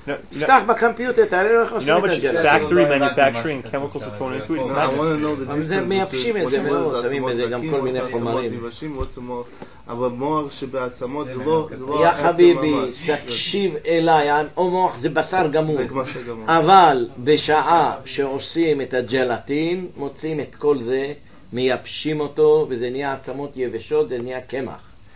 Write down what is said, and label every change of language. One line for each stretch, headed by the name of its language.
Hebrew: תפתח בקמפיוטר, תראה לך עושים את הג'לטין.
English: No, but factory manufacturing chemicals are thrown into it.
Hebrew: זה מייבשים את זה מאוד, שמים בזה גם כל מיני חומרים. אבל מוח שבעצמות זה לא עצם ממש. יא חביבי, תקשיב אליי, או מוח זה בשר גמור. אבל בשעה שעושים את הג'לטין, מוצאים את כל זה, מייבשים אותו, וזה נהיה עצמות יבשות, זה נהיה קמח.